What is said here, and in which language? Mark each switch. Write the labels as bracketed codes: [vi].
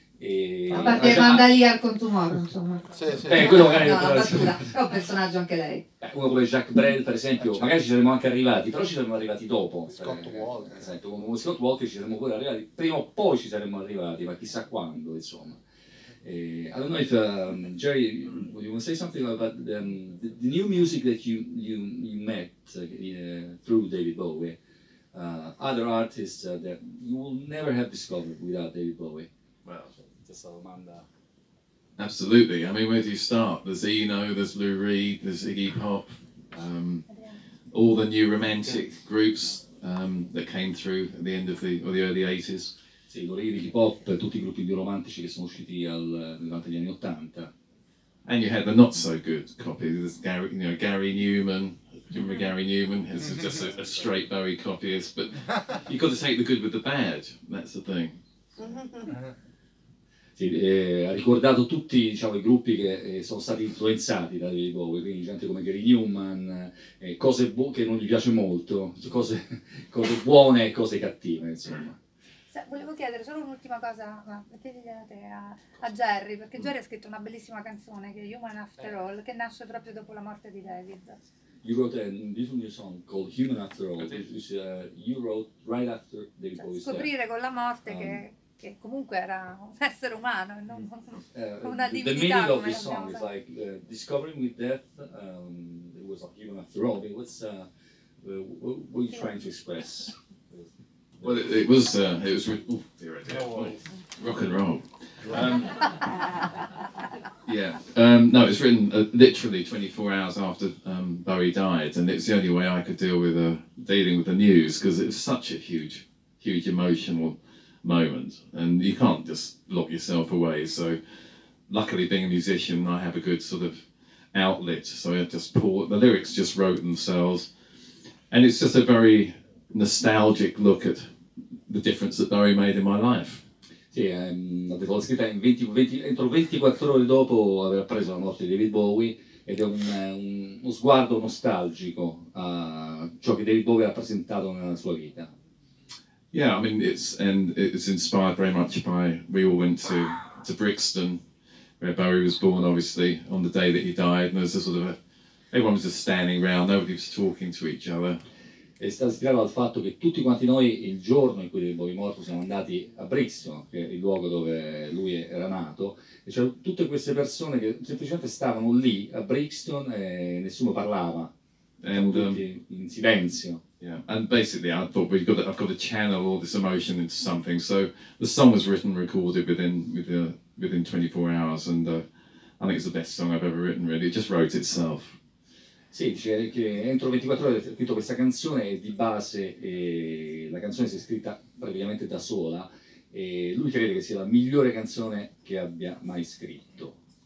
[it] A parte Mandalier con Tumor, insomma. Sì, sì. Quello magari, no, però, è un personaggio anche lei. Uno come Jacques Brel, per esempio, magari ci saremmo anche arrivati, però ci saremmo arrivati dopo. Scott Walker ci saremmo pure arrivati, prima o poi ci saremmo arrivati, ma chissà quando, insomma. [en] I don't know if Jerry, would you want to say something about the new music that you met through David Bowie, other artists that you will never have discovered without David Bowie? Well, just a Amanda. Absolutely. I mean, where do you start? There's Eno, there's Lou Reed, there's Iggy Pop, all the new romantic groups that came through at the end of the early 80s. [it] Sì, Lou Reed, Iggy Pop, tutti i gruppi più romantici che sono usciti durante gli anni 80. [en] And you had the not so good copy. There's Gary Numan. Do you remember Gary Numan? It's just a straight Bowie copyist. But you've got to take the good with the bad. That's the thing. [it] Sì, ha ricordato tutti, diciamo, i gruppi che sono stati influenzati da David Bowie, quindi gente come Gary Numan, cose che non gli piace molto, cose buone e cose cattive, insomma. Sì, volevo chiedere solo un'ultima cosa, ma a Jerry, perché Jerry ha scritto una bellissima canzone che è Human After All, che nasce proprio dopo la morte di David. [en] You wrote a beautiful new song called Human After All, which you wrote right after David Bowie. [it] Scoprire [en] death. [it] Con la morte che comunque era un essere umano e non una divinità. [en] The meaning of this song is like discovering with death, it was a human after all. What were you trying to express? Well, it was rock and roll. No, it's written literally 24 hours after Bowie died, and it's the only way I could deal with dealing with the news, because it's such a huge, huge emotional moment, and you can't just lock yourself away. So, luckily, being a musician, I have a good sort of outlet. So I just pulled the lyrics, just wrote themselves, and it's just a very nostalgic look at the difference that Bowie made in my life. [it] Sì, l'ho scritta entro 24 ore dopo aver appreso la morte di David Bowie, ed è uno sguardo nostalgico a ciò che David Bowie ha rappresentato nella sua vita. [en] Yeah, I mean, it's inspired very much by, we all went to Brixton, where Bowie was born, obviously, on the day that he died, and there was a sort of, everyone was just standing around, nobody was talking to each other. [it] È stato ispirato dal fatto che tutti quanti noi, il giorno in cui David Bowie è morto, siamo andati a Brixton, che è il luogo dove lui era nato, e c'erano tutte queste persone che semplicemente stavano lì, a Brixton, e nessuno parlava, tutti in silenzio. [en] Yeah, and basically I thought I've got to channel all this emotion into something. So the song was written and recorded within 24 hours, and I think it's the best song I've ever written, really. It just wrote itself. [it] Sì, dice che entro 24 ore ho scritto questa canzone, e di base la canzone si è scritta praticamente da sola, e lui crede che sia la migliore canzone che abbia mai scritto.